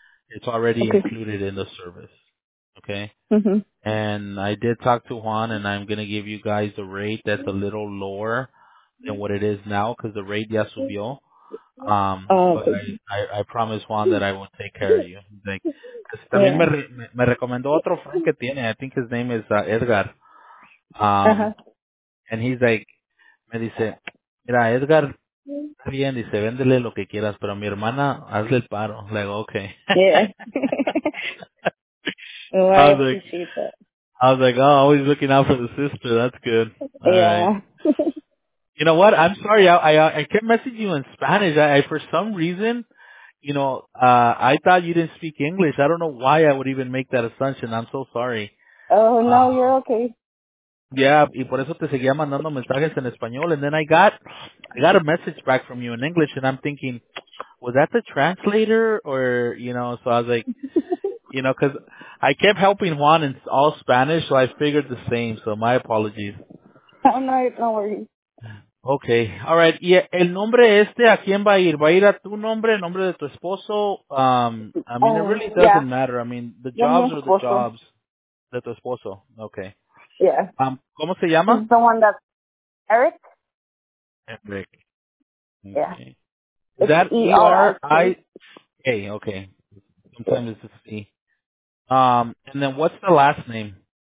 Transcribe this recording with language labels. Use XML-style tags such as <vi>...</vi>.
<en>It's already included in the service, okay? And I did talk to Juan, and I'm going to give you guys a rate that's a little lower than what it is now, because the rate</en> <es>ya subió.</es> <en>I promise Juan that I will take care of you.</en> <es>Like, también me recomendó otro friend que tiene.</es> <en>I think his name is Edgar. And he's like,</en> <es>me dice, mira, Edgar, bien, dice, véndele lo que quieras, pero a mi hermana, hazle el paro.</es> <en>Like, okay. Yeah. Well, I was like, always looking out for the sister. That's good. All right. You know what? I'm sorry. I kept messaging you in Spanish. I for some reason, I thought you didn't speak English. I don't know why I would even make that assumption. I'm so sorry. Oh, no, you're okay.</en> <es>Yeah, y por eso te seguía mandando mensajes en español.</es> <en>And then I got a message back from you in English, and I'm thinking, was that the translator? Or, you know, so I was like, you know, because I kept helping Juan in all Spanish, so I figured the same. So my apologies. All right, don't worry. Okay, all right.</en> <es>¿Y el nombre este a quién va a ir? ¿Va a ir a tu nombre, el nombre de tu esposo?</es> <en>It really doesn't matter. I mean, the jobs are the jobs</en> <es>de tu esposo.</es> <en>Okay. Yeah.</en> <es>¿Cómo se llama?</es> <en>The one that Eric. Eric. Okay. Yeah. Is that E-R-I? Hey, okay. Sometimes it's just E. And then what's the last name?</en>